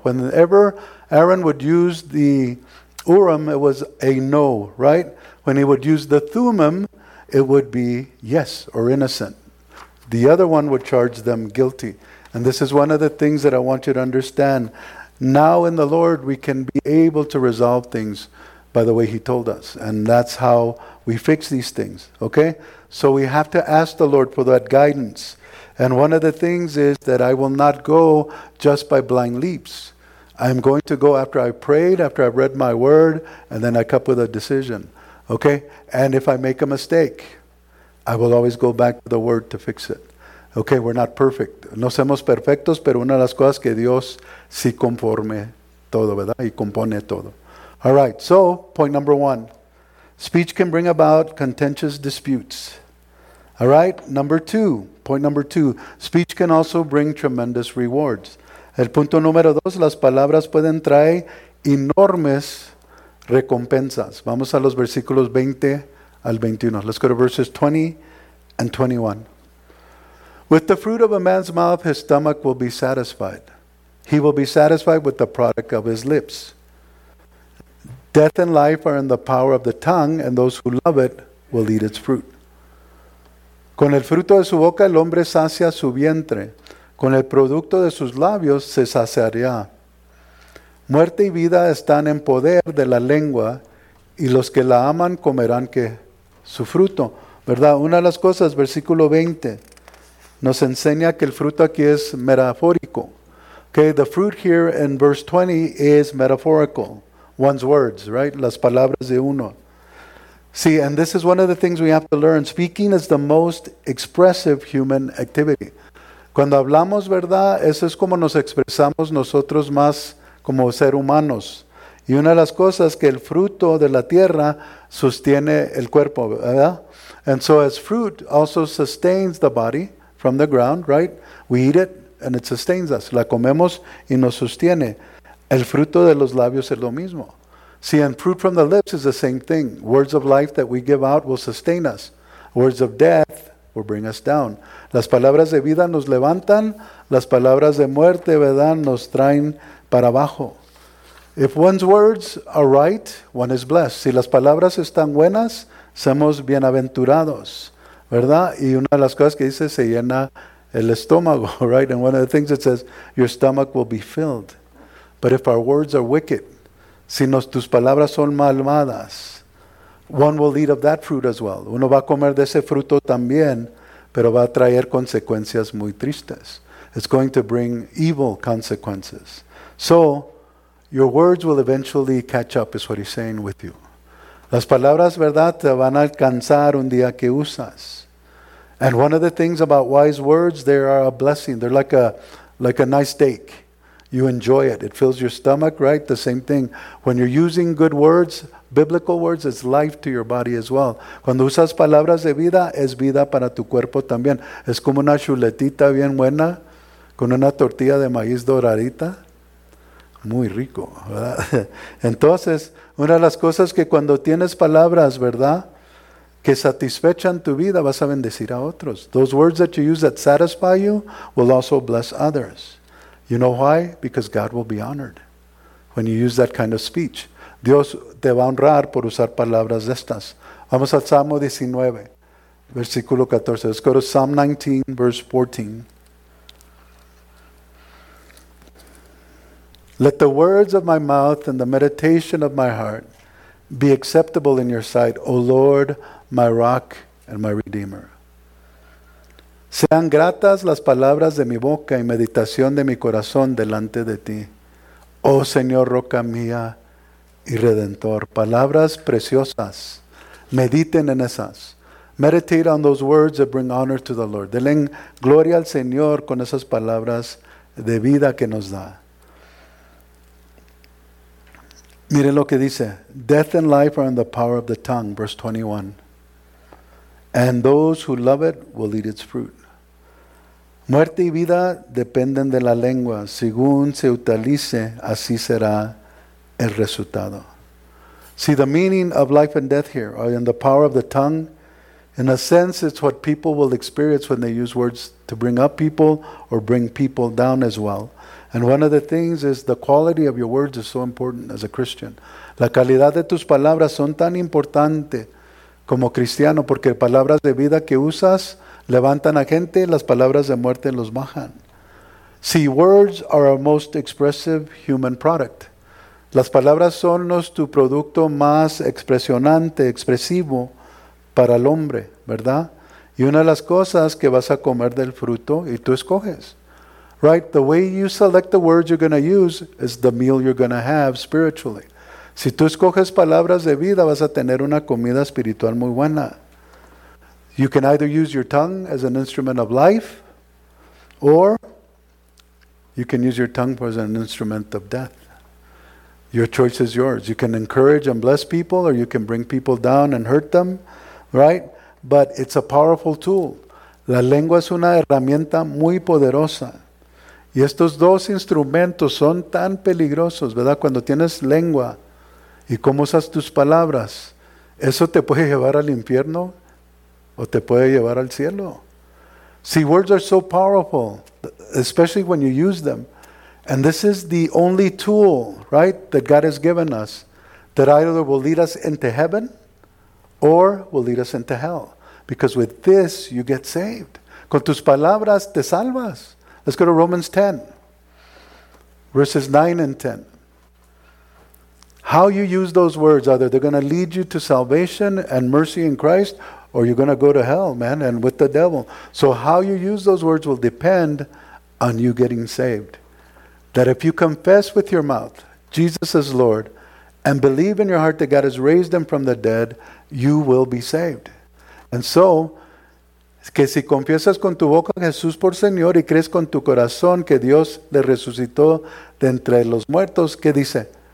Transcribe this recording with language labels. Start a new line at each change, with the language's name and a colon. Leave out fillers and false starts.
English: Whenever Aaron would use the Urim, it was a no, right? When he would use the Thummim, it would be yes or innocent. The other one would charge them guilty. And this is one of the things that I want you to understand. Now in the Lord, we can be able to resolve things by the way He told us. And that's how we fix these things, okay? So we have to ask the Lord for that guidance. And one of the things is that I will not go just by blind leaps. I'm going to go after I've prayed, after I've read my word, and then I come up with a decision, okay? And if I make a mistake, I will always go back to the word to fix it. Okay, we're not perfect.
Spanish: No somos perfectos, pero una de las cosas que Dios sí conforme todo, ¿verdad? Y compone todo.
English: All right, so point number one. Speech can bring about contentious disputes. All right, number two. Point number two. Speech can also bring tremendous rewards.
Spanish: El punto número dos. Las palabras pueden traer enormes recompensas. Vamos a los versículos 20 al 21.
English: Let's go to verses 20 and 21. With the fruit of a man's mouth, his stomach will be satisfied. He will be satisfied with the product of his lips. Death and life are in the power of the tongue, and those who love it will eat its fruit.
Spanish: Con el fruto de su boca, el hombre sacia su vientre. Con el producto de sus labios, se saciará. Muerte y vida están en poder de la lengua, y los que la aman comerán que su fruto. ¿Verdad? Una de las cosas, versículo 20. Nos enseña que el fruto aquí es metafórico.
English: Okay, the fruit here in verse 20 is metaphorical. One's words, right?
Spanish: Las palabras de uno.
English: See, and this is one of the things we have to learn. Speaking is the most expressive human activity.
Spanish: Cuando hablamos, ¿verdad? Eso es como nos expresamos nosotros más como ser humanos. Y una de las cosas que el fruto de la tierra sostiene el cuerpo, ¿verdad?
English: And so as fruit also sustains the body, from the ground, right? We eat it and it sustains us.
Spanish: La comemos y nos sostiene. El fruto de los labios es lo mismo.
English: See, and fruit from the lips is the same thing. Words of life that we give out will sustain us. Words of death will bring us down.
Spanish: Las palabras de vida nos levantan. Las palabras de muerte, ¿verdad?, nos traen para abajo.
English: If one's words are right, one is blessed.
Spanish: Si las palabras están buenas, somos bienaventurados. ¿Verdad? Y una de las cosas que dice, se llena el estómago, right?
English: And one of the things it says, your stomach will be filled. But if our words are wicked,
Spanish: si tus palabras son malvadas,
English: one will eat of that fruit as well.
Spanish: Uno va a comer de ese fruto también, pero va a traer consecuencias muy tristes.
English: It's going to bring evil consequences. So, your words will eventually catch up, is what he's saying with you.
Spanish: Las palabras, ¿verdad?, te van a alcanzar un día que usas.
English: And one of the things about wise words, they are a blessing. They're like a nice steak. You enjoy it. It fills your stomach, right? The same thing. When you're using good words, biblical words, it's life to your body as well.
Spanish: Cuando usas palabras de vida, es vida para tu cuerpo también. Es como una chuletita bien buena con una tortilla de maíz doradita. Muy rico, ¿verdad? Entonces, una de las cosas que cuando tienes palabras, ¿verdad?, que satisfechan tu vida, vas a bendecir a otros.
English: Those words that you use that satisfy you will also bless others. You know why? Because God will be honored when you use that kind of speech.
Spanish: Dios te va a honrar por usar palabras de estas. Vamos al Salmo 19, versículo 14.
English: Let's go to Psalm 19, verse 14. Let the words of my mouth and the meditation of my heart be acceptable in your sight, O Lord, my rock and my redeemer.
Spanish: Sean gratas las palabras de mi boca y meditación de mi corazón delante de ti, oh Señor, roca mía y redentor. Palabras preciosas. Mediten en esas.
English: Meditate on those words that bring honor to the Lord.
Spanish: Denle gloria al Señor con esas palabras de vida que nos da. Miren lo que dice.
English: Death and life are in the power of the tongue, verse 21. And those who love it will eat its fruit.
Spanish: Muerte y vida dependen de la lengua. Según se utilice, así será el resultado.
English: See, the meaning of life and death here, or in the power of the tongue, in a sense, it's what people will experience when they use words to bring up people or bring people down as well. And one of the things is the quality of your words is so important as a Christian.
Spanish: La calidad de tus palabras son tan importante como cristiano, porque palabras de vida que usas levantan a gente, las palabras de muerte los bajan.
English: See, words are our most expressive human product.
Spanish: Las palabras son nuestro producto más expresionante, expresivo para el hombre, ¿verdad? Y una de las cosas que vas a comer del fruto y tú escoges.
English: Right? The way you select the words you're going to use is the meal you're going to have spiritually.
Spanish: Si tú escoges palabras de vida, vas a tener una comida espiritual muy buena.
English: You can either use your tongue as an instrument of life, or you can use your tongue as an instrument of death. Your choice is yours. You can encourage and bless people, or you can bring people down and hurt them, right? But it's a powerful tool.
Spanish: La lengua es una herramienta muy poderosa. Y estos dos instrumentos son tan peligrosos, ¿verdad? Cuando tienes lengua y cómo usas tus palabras, eso te puede llevar al infierno o te puede llevar al cielo.
English: See, words are so powerful, especially when you use them. And this is the only tool, right, that God has given us that either will lead us into heaven or will lead us into hell. Because with this, you get saved.
Spanish: Con tus palabras, te salvas.
English: Let's go to Romans 10, verses 9 and 10. How you use those words, either they're going to lead you to salvation and mercy in Christ, or you're going to go to hell, man, and with the devil. So how you use those words will depend on you getting saved. That if you confess with your mouth, Jesus is Lord, and believe in your heart that God has raised him from the dead, you will be saved. And so,
Spanish: que si confiesas con tu boca a Jesús por Señor y crees con tu corazón que Dios le resucitó de entre los muertos, ¿qué dice?